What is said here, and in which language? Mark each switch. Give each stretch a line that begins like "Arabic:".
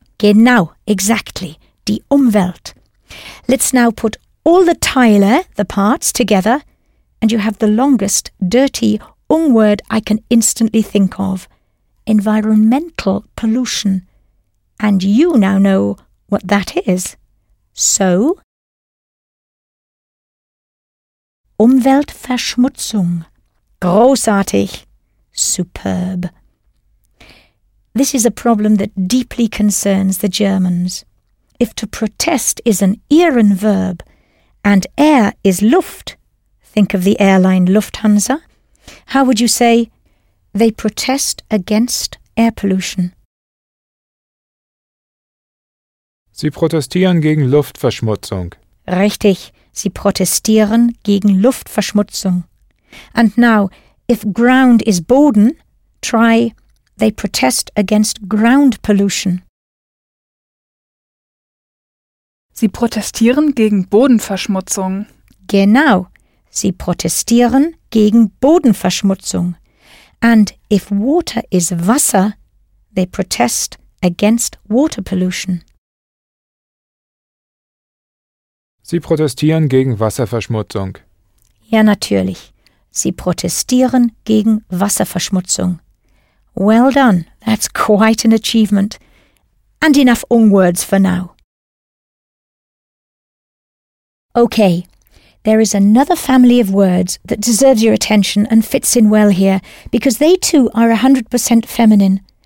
German: Genau,
English: exactly.
German: Die Umwelt.
English: Let's now put all the Teile, the parts, together, and you have the longest, dirty Ungword I can instantly think of. Environmental pollution. And you now know what that is.
German: So, Umweltverschmutzung. Großartig.
English: Superb. This is a problem that deeply concerns the Germans. If to protest is an Ehren verb and air is Luft, think of the airline Lufthansa, how would you say they protest against air pollution?
German: Sie protestieren gegen Luftverschmutzung. Richtig, sie protestieren gegen Luftverschmutzung.
English: And now, if ground is Boden, try they protest against ground pollution.
German: Sie protestieren gegen Bodenverschmutzung. Genau. Sie protestieren gegen Bodenverschmutzung.
English: And if water is Wasser, they protest against water pollution.
German: Sie protestieren gegen Wasserverschmutzung. Ja, natürlich. Sie protestieren gegen Wasserverschmutzung.
English: Well done. That's quite an achievement. And enough ung words for now. Okay, there is another family of words that deserves your attention and fits in well here, because they too are 100% feminine.